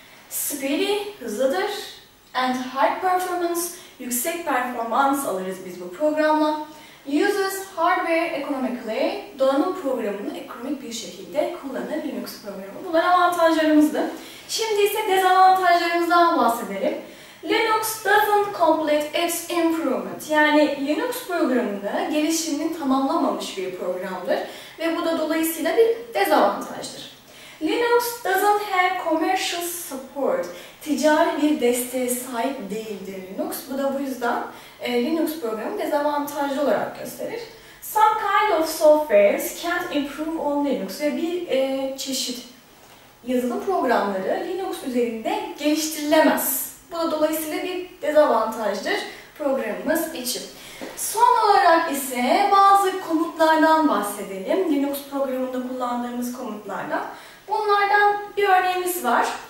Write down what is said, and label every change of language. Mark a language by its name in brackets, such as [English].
[Turkish] Speedy, hızlıdır. And high performance, yüksek performans alırız biz bu programla. Uses hardware economically, donanım programını ekonomik bir şekilde kullanır Linux programı. Bunlar avantajlarımızdı. Şimdi ise dezavantajlarımızdan bahsedelim. [English] Linux doesn't complete its improvement. [Turkish] Yani Linux programında gelişimini tamamlamamış bir programdır. Ve bu da dolayısıyla bir dezavantajdır. [English] Linux doesn't have commercial support. [Turkish] Ticari bir desteğe sahip değildir Linux. Bu da bu yüzden Linux programı dezavantajlı olarak gösterir. [English] Some kind of softwares can't improve on Linux. [Turkish] Ve bir çeşit yazılım programları Linux üzerinde geliştirilemez. Bu da dolayısıyla bir dezavantajdır programımız için. Son olarak ise bazı komutlardan bahsedelim. Linux programında kullandığımız komutlardan. Bunlardan bir örneğimiz var.